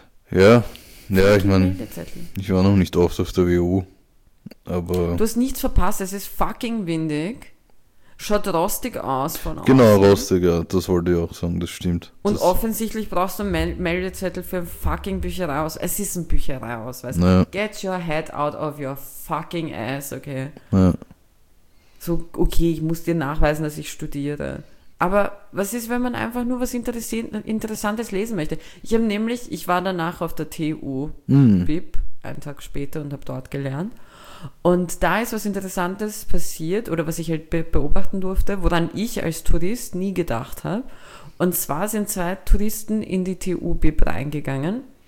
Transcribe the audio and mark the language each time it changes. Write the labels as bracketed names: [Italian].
[German] Ja, ich meine, ich war noch nicht oft auf der WU. Aber du hast nichts verpasst, es ist fucking windig. Schaut rostig aus von außen. Genau, rostig, ja, das wollte ich auch sagen, das stimmt. Und das offensichtlich brauchst du einen Meldezettel für ein fucking Büchereiausweis. Es ist ein Büchereiausweis. Naja. [English] Get your head out of your fucking ass, okay? [German] Naja. So, okay, ich muss dir nachweisen, dass ich studiere. Aber was ist, wenn man einfach nur was Interessantes lesen möchte? Ich war danach auf der TU BIP einen Tag später und habe dort gelernt. Und da ist was Interessantes passiert oder was ich halt beobachten durfte, woran ich als Tourist nie gedacht habe. Und zwar sind zwei Touristen in die TU BIP reingegangen